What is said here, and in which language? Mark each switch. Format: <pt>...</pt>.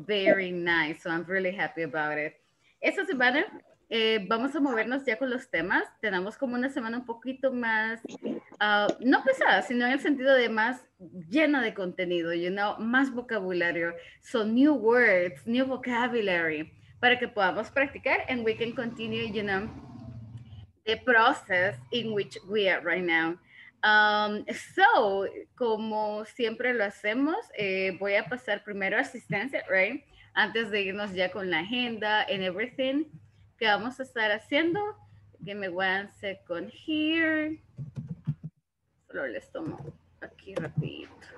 <en>Very nice. So I'm really happy about it.</en> <es>Esta semana vamos a movernos ya con los temas. Tenemos como una semana un poquito más, no pesada, sino en el sentido de más llena de contenido, you know, más vocabulario.</es> <en>So new words, new vocabulary,</en> <es>para que podamos practicar</es> <en>and we can continue, you know, the process in which we are right now.</en> <es>So, como siempre lo hacemos, voy a pasar primero asistencia, right? Antes de irnos ya con la agenda</es> <en>and everything.</en> <es>¿Qué vamos a estar haciendo?</es> <en>Give me one second here.</en> <es>Solo les tomo aquí rapidito.</es>